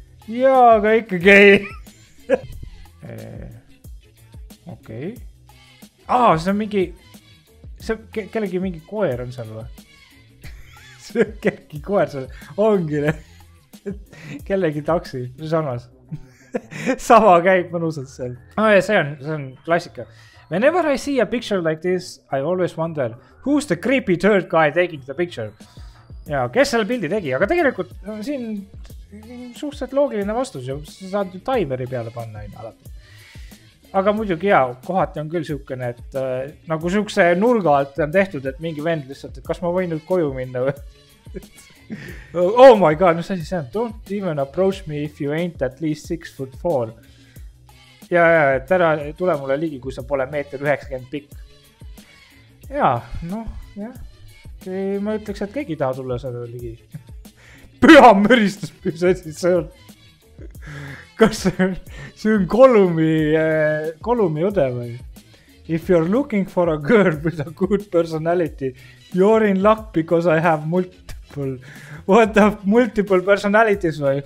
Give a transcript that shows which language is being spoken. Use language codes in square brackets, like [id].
[et] Jaa, aga ikkagi ei. Okei. Oh, see on mingi, see kellegi mingi koer on seal või? See on kellegi koer seal, ongi ne. Kellegi taksi, see sanas. Sama käib mõnusalt seal. Oh, ja see on klassika. [en] Whenever I see a picture like this, I always wonder, who's the creepy third guy taking the picture? [et] Ja kes selle pildi tegi? Aga tegelikult siin suhteliselt loogiline vastus ja sa saad ju [en] timeri [et] peale panna aina alati. Aga muidugi hea, kohati on küll siukene, et nagu siukse nurgalt on tehtud, et mingi vend lihtsalt, et kas ma võin nüüd koju minna või? Oh my god, no siis see on, [en] don't even approach me if you ain't at least 6'4". [et] Ja, et ära tule mulle ligi, kui sa pole 1.90 meetrit pikk. Ja, noh, jah. Ma ütleks, et keegi taha tulla seda ligi. Püha müristus, püha siis see on. Kas see on kolumi õde või? [en] If you're looking for a girl with a good personality, you're in luck because I have multiple. What the multiple personalities [et] või?